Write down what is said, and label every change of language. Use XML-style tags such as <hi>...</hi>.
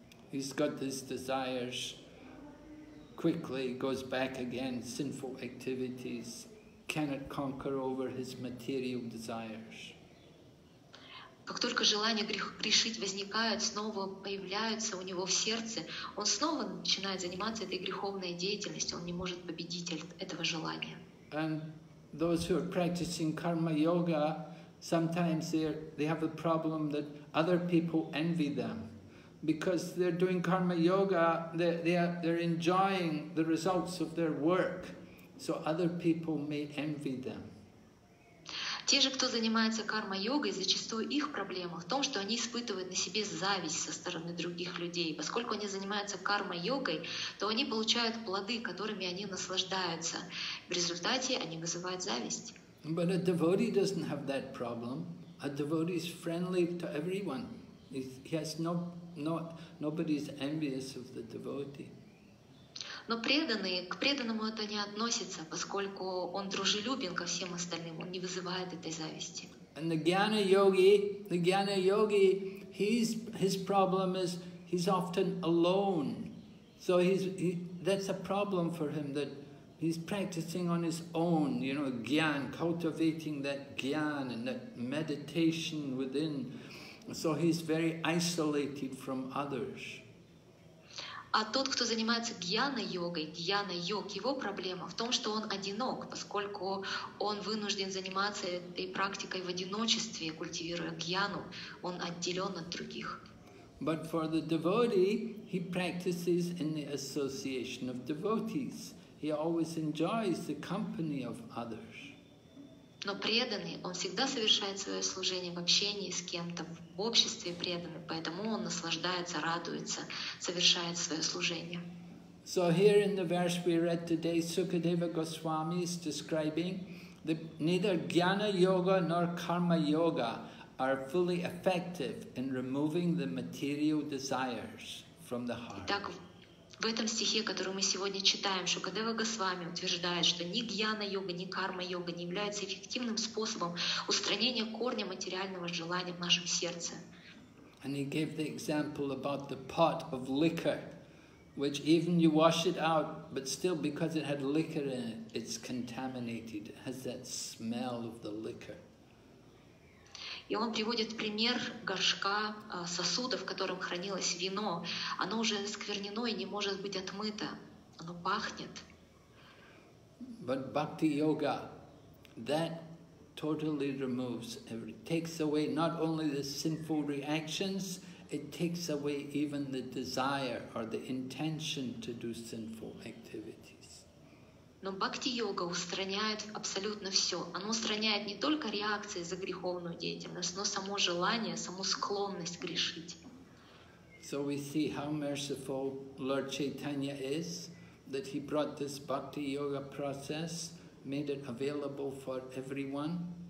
<en>He's got these desires, quickly goes back again, sinful activities, cannot conquer over his material desires.</en> <ru>Как только желание грешить возникает, снова появляются у него в сердце, он снова начинает заниматься этой греховной деятельностью, он не может победить этого желания.</ru> <en>And those who are practicing karma yoga, sometimes they have a problem that other people envy them. Because they're doing karma yoga, they're enjoying the results of their work, so other people may envy them.</en> <ru>Те же, кто занимается карма-йогой, зачастую их проблема в том, что они испытывают на себе зависть со стороны других людей. Поскольку они занимаются карма-йогой, то они получают плоды, которыми они наслаждаются. В результате они вызывают зависть.</ru> <en>But a devotee doesn't have that problem. A devotee is friendly to everyone. He has nobody is envious of the devotee.</en> <ru>Но преданный, к преданному это не относится, поскольку он дружелюбен ко всем остальным, он не вызывает этой зависти.</ru> <en>And the Jnana Yogi, his problem is he's often alone. So that's a problem for him, that he's practicing on his own, you know, Jnana, cultivating that Jnana and that meditation within. So he's very isolated from others.</en> <ru>А тот, кто занимается гьяна-йогой, гьяна-йог, его проблема в том, что он одинок, поскольку он вынужден заниматься этой практикой в одиночестве, культивируя гьяну, он отделен от других.</ru> <en>But for the devotee, he practices in the association of devotees. He always enjoys the company of others.</en> <ru>Но преданный, он всегда совершает свое служение в общении с кем-то, в обществе преданных, поэтому он наслаждается, радуется, совершает свое служение.</ru> <en>So here in the verse we read today, Sukadeva Goswami is describing that neither Jnana Yoga nor Karma Yoga are fully effective in removing the material desires from the heart.</en> <ru>В этом стихе, который мы сегодня читаем, Шукадева Госвами утверждает, что ни гьяна-йога, ни карма-йога не являются эффективным способом устранения корня материального желания в нашем сердце.</ru> <en>And he gave the example about the pot of liquor, which even you wash it out, but still because it had liquor in it, it's contaminated, it has that smell of the liquor.</en> <ru>И он приводит пример горшка, сосуда, в котором хранилось вино. Оно уже осквернено и не может быть отмыто. Оно пахнет.</ru> <en>But bhakti yoga, that totally removes, takes away not only the sinful reactions, it takes away even the desire or the intention to do sinful activities.</en> <ru>Но бхакти-йога устраняет абсолютно все. Оно устраняет не только реакции за греховную деятельность, но само желание, саму склонность грешить.</ru> <en>So we see how merciful Lord Chaitanya is, that he brought this bhakti-yoga process, made it available for everyone.</en>